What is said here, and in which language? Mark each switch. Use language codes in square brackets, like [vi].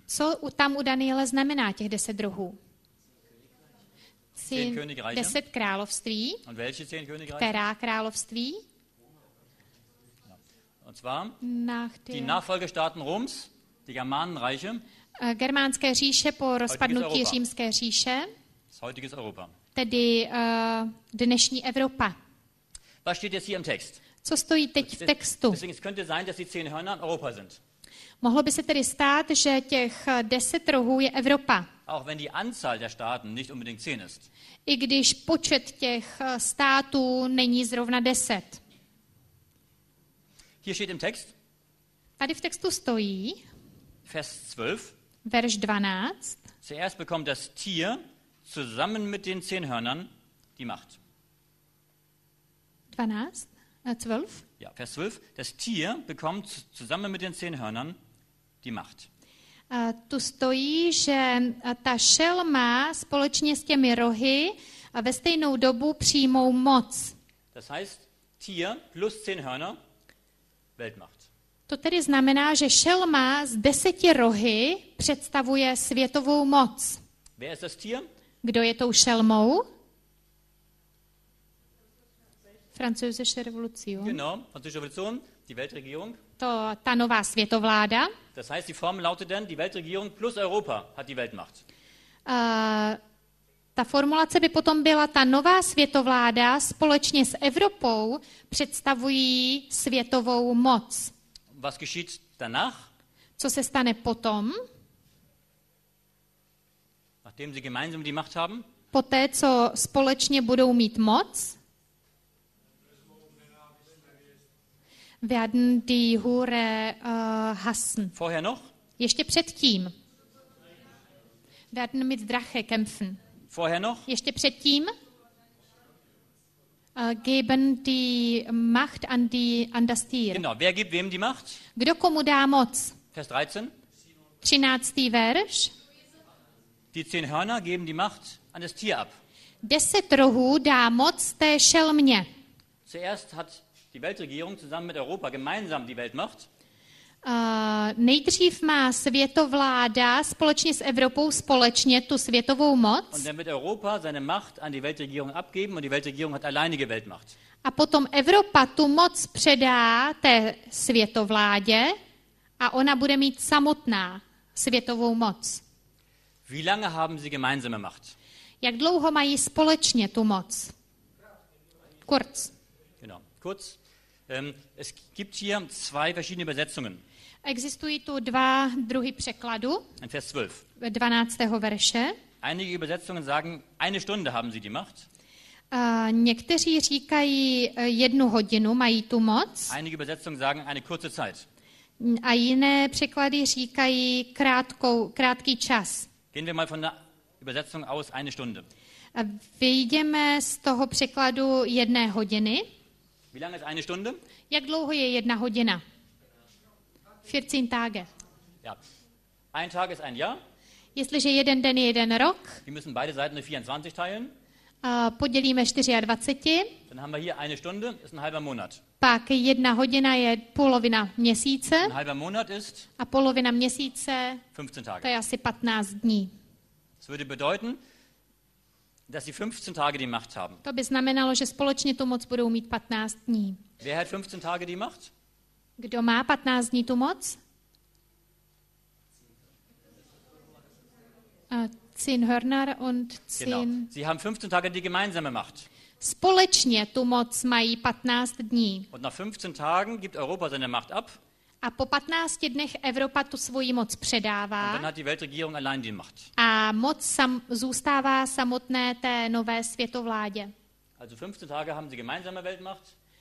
[cs] Co tam u Daniela znamená těch 10 rohů? 10 království. [de] Und welche 10 Königreiche? [cs] Která království? [de] Und zwar die Nachfolgestaaten Roms, die Germanenreiche. [cs] Germánské říše po rozpadnutí Římské říše. [de] Das heutige Europa. [cs] Tedy dnešní Evropa. [de] Was steht jetzt hier im Text? [cs] Co stojí teď v textu? [de] Es könnte sein, dass die 10 Hörner Europa sind. [cs] Mohlo by se tedy stát, že těch 10 rohů je Evropa. [de] Auch wenn die Anzahl der Staaten nicht unbedingt 10 ist. [cs] I když počet těch států není zrovna 10. [de] Hier steht im Text. [cs] Tady v textu stojí. [de] Vers 12. [cs] Verš 12. [de] Zuerst bekommt das Tier zusammen mit den 10 Hörnern die Macht. 12. 12. Ja, Vers 12. Das Tier bekommt zusammen mit den 10 Hörnern die Macht. [cs] Tu stojí, že ta šelma společně s těmi rohy ve stejnou dobu přijmou moc. [de] Das heißt, Tier plus 10 Hörner, Weltmacht. [cs] To tedy znamená, že šelma z 10 rohy představuje světovou moc. [de] Wer ist das Tier? [cs] Kdo je tou šelmou? [de] Französische Revolution. Genau, Französische Revolution, die Weltregierung. [cs] To ta nová světovláda. [de] Das heißt, die Formel lautet denn, die Weltregierung plus Europa hat die Weltmacht. [cs] Ta formulace by potom byla, ta nová světovláda společně s Evropou představují světovou moc. [de] Was geschieht danach? [cs] Co se stane potom? [de] Nachdem sie gemeinsam die Macht haben? [cs] Poté, co společně budou mít moc? [de] Werden die Hure hassen. Vorher noch? [cs] Ještě předtím. [de] Werden mit Drache kämpfen. Vorher noch? [cs] Ještě předtím. [de] Geben die Macht an die an das Tier. Genau, wer gibt wem die Macht? [cs] Kdo komu dá moc? [de] Vers 13. [cs] 13. verš. [de] Die 10 Hörner geben die Macht an das Tier ab. [cs] 10 rohů dá moc té šelmě. [de] Zuerst hat die Weltregierung zusammen mit Europa gemeinsam die Weltmacht. [cs] Nejdřív má světovláda společně s Evropou společně tu světovou moc. [de] Und dann wird Europa seine Macht an die Weltregierung abgeben und die Weltregierung hat alleinige Weltmacht. [cs] A potom Evropa tu moc předá té světovládě a ona bude mít samotná světovou moc. [de] Wie lange haben sie gemeinsame Macht? [cs] Jak dlouho mají společně tu moc? [de] Kurz. Kurz. Es gibt hier zwei verschiedene Übersetzungen. [cs] Existují tu dva druhy překladu. [de] In Vers 12. [cs] 12. verše. [de] Einige Übersetzungen sagen, eine Stunde haben sie die Macht. [cs] Někteří říkají, jednu hodinu mají tu moc. [de] Einige Übersetzungen sagen, eine kurze Zeit. [cs] A jiné překlady říkají, krátký čas. [de] Gehen wir mal von der Übersetzung aus, eine Stunde. [cs] Vyjdeme z toho překladu jedné hodiny. [de] Wie lange ist eine Stunde? [cs] Jak dlouho je jedna hodina? [de] 14 Tage. Ja. Ein Tag ist ein Jahr. [cs] Jestliže jeden den je jeden rok. [de] Wir müssen beide Seiten 24 teilen. [cs] Podělíme 24. [de] Dann haben wir hier eine Stunde, ist ein halber Monat. [cs] Pak jedna hodina je polovina měsíce. [de] Ein halber Monat ist? [cs] A polovina měsíce. [de] 15 Tage. [cs] To je asi 15 dní. [de] Das würde bedeuten, dass sie 15 Tage die Macht haben. [cs] To by znamenalo, že společně tu moc budou mít 15 dní. [de] Wer hat 15 Tage die Macht? [cs] Kdo má 15 dní tu moc? [de] Zehn Hörner und zehn. Genau. Sie haben 15 Tage die gemeinsame Macht. [cs] Společně tu moc mají 15 dní. [de] Und nach 15 Tagen gibt Europa seine Macht ab. [cs] A po 15 dnech Evropa tu svoji moc předává. [de] Und dann hat die Weltregierung allein die Macht. [cs] A moc zůstává samotné té nové světovládě. [de] Also 15 Tage haben sie gemeinsame Weltmacht.